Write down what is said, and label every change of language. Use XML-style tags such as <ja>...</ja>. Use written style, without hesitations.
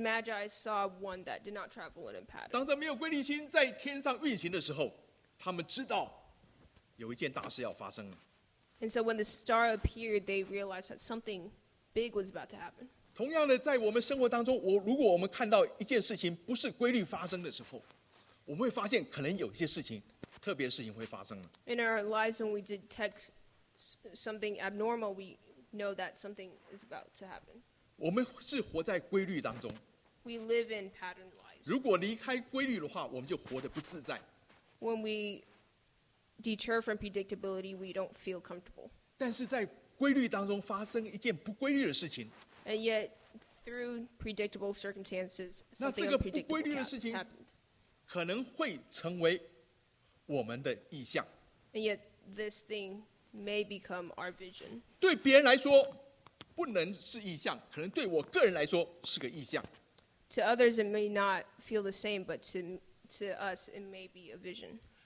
<en>magi saw one that did not travel in a pattern.</en> <zh>当这没有规律星在天上运行的时候，他们知道有一件大事要发生了。</zh> <en>And so when the star appeared, they realized that something big was about to happen.</en> <zh>同样的，在我们生活当中，如果我们看到一件事情不是规律发生的时候，我们会发现可能有一些事情，特别事情会发生了。</zh> <en>In our lives, when we detect something abnormal, we know that something is about to happen.</en> <zh>我们是活在规律当中。</zh> <en>We live in pattern lives.</en> <zh>如果离开规律的话，我们就活得不自在。</zh> <en>When we deter from predictability, we don't feel comfortable.</en> <zh>但是在规律当中发生一件不规律的事情。</zh> <en>And yet, through predictable circumstances, something unpredictable happened.</en> <zh>可能会成为我们的意象。</zh> <en>And yet, this thing may become our vision.</en> <zh>对别人来说，不能是意象，可能对我个人来说是个意象。</zh> <en>To others, it may not feel the same, but to us, it may be a vision.</en>